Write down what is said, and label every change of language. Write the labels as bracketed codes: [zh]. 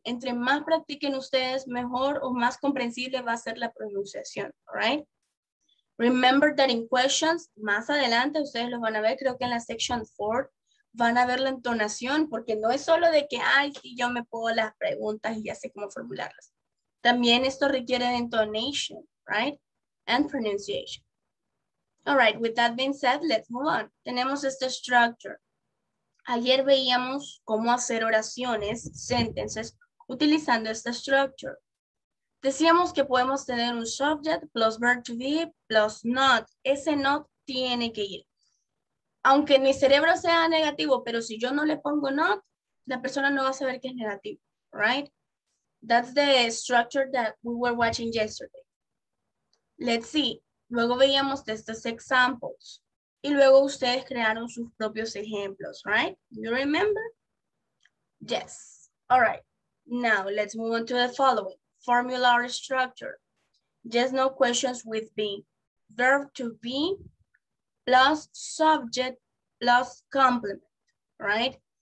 [es] Entre más practiquen ustedes, mejor o más comprensible va a ser la pronunciación. [en] All right? Remember that in questions, [es] más adelante ustedes los van a ver, creo que en la section 4, van a ver la entonación, porque no es solo de que, ay, sí, yo me puedo las preguntas y ya sé cómo formularlas. También esto requiere de [en] intonation, right? And pronunciation. All right, with that being said, let's move on. [es] Tenemos esta structure. Ayer veíamos cómo hacer oraciones, sentences, utilizando esta structure. Decíamos que podemos tener un subject plus verb to be plus not. Ese not tiene que ir. Aunque mi cerebro sea negativo, pero si yo no le pongo not, la persona no va a saber que es negativo, right? [en] That's the structure that we were watching yesterday. Let's see. [es] Luego veíamos estos examples. Y luego ustedes crearon sus propios ejemplos, right? [en] You remember? Yes. All right. Now, let's move on to the following. Formulary structure, just no questions with be. Verb to be plus subject plus complement, right?